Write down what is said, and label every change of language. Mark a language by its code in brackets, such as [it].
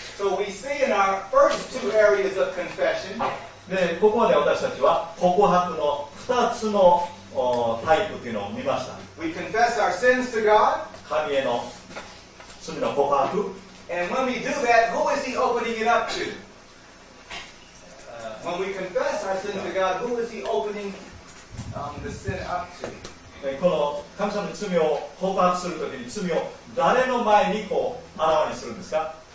[en] So we see in our first two areas of confession. [ja] で、ここまで私たちは告白の2つのタイプというのを見ました。 [en] We confess our sins to God. [ja] 神への罪の告白。 [en] And when we do that, who is He opening it up to? When we confess our sins to God, who is He opening the sin up to? [ja] この神様の罪を告白するときに、罪を誰の前にこうあらわにするんですか？